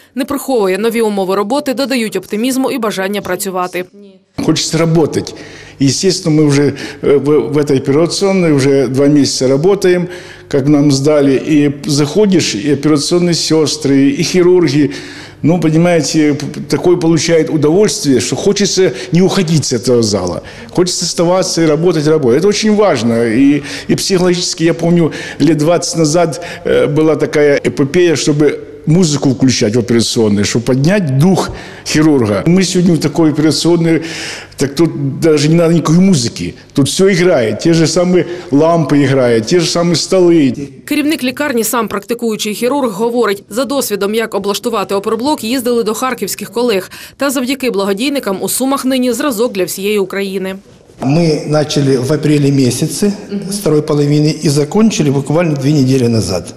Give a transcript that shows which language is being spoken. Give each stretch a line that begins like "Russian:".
Ukrainian: Не приховує, нові умови роботи додають оптимізму і бажання працювати. Хочеться працювати. І, звісно, ми вже в цій операційній вже 2 місяці працюємо, як нам здали. І заходиш, і операційні сестри, і хірурги.
Russian: Ну, понимаете, такое получает удовольствие, что хочется не уходить с этого зала. Хочется оставаться и работать, работать. Это очень важно. И психологически, я помню, лет 20 назад была такая эпопея, чтобы музыку включать в операционную, чтобы поднять дух хирурга. Мы сегодня в такой операционной, так тут даже не надо никакой музыки. Тут все играет, те же самые лампы играют, те же самые столы.
Ukrainian: Керівник лікарні, сам практикуючий хірург, говорить, за досвідом, як облаштувати оперблок, їздили до харківських колег. Та завдяки благодійникам у Сумах нині зразок для всієї України. Ми почали в апрелі місяці з другої половини і закінчили буквально 2 тижні назад.